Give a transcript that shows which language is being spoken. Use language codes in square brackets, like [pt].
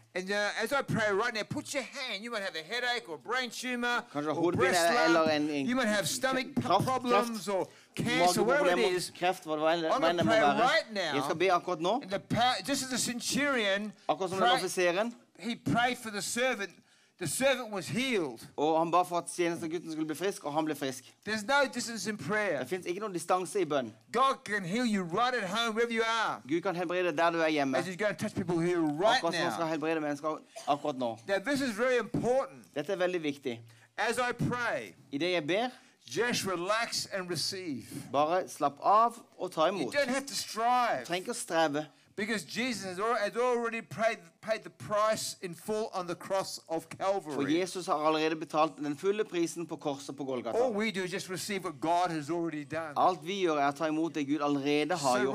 [en] And as I pray right now, put your hand. You might have a headache or brain tumor. [no] Kanskje [en] or breast lump. [no] Eller en [en] you might have stomach problems or cancer, whatever it is. [no] Kreft, hva det var, [en] I'm going to pray right now. [no] Jeg skal be akkurat nå. [en] And the just as the centurion. [no] Akkurat som den offiseren. [en] He prayed for the servant. The servant was healed. [no] Og han bad for at tjenesten gutten skulle bli frisk, og han ble frisk. [en] There's no distance in prayer. [no] Det finnes ikke noen distanse I bønn. [en] God can heal you right at home, wherever you are. [no] Gud kan helbrede der du hjemme. [en] As he's going to touch people here right now. [no] Akkurat nå skal helbrede mennesker akkurat nå. [en] Now this is very important. [no] Dette veldig viktig. [en] As I pray. [no] I det jeg ber. [en] Just relax and receive. [no] Bare slapp av og ta imot. [en] You don't have to strive. [no] Du trenger ikke streve. [en] Because Jesus has already paid the price in full on the cross of Calvary. [no] For Jesus har allerede betalt den fulle prisen på korset på Golgata. [en] All we do is just receive what God has already done. [no] Alt vi gjør ta imot det Gud allerede har gjort.